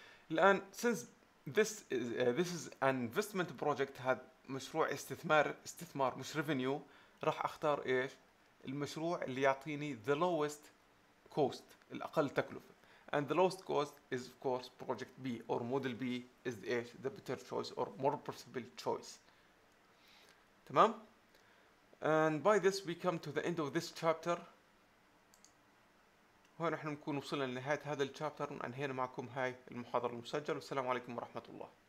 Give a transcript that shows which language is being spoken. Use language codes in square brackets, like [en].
[ar] الآن [en] since this is an investment project, [ar] هذا مشروع استثمار مش revenue, راح أختار إيش المشروع اللي يعطيني [en] the lowest cost, [ar] الأقل تكلفة. [en] And the lowest cost is of course project B or model B is the better choice or more preferable choice. تمام؟ And by this we come to the end of this chapter. [ar] هون احنا نكون وصلنا لنهاية هذا الشابتر وانهينا معكم هاي المحاضرة المسجلة. والسلام عليكم ورحمة الله.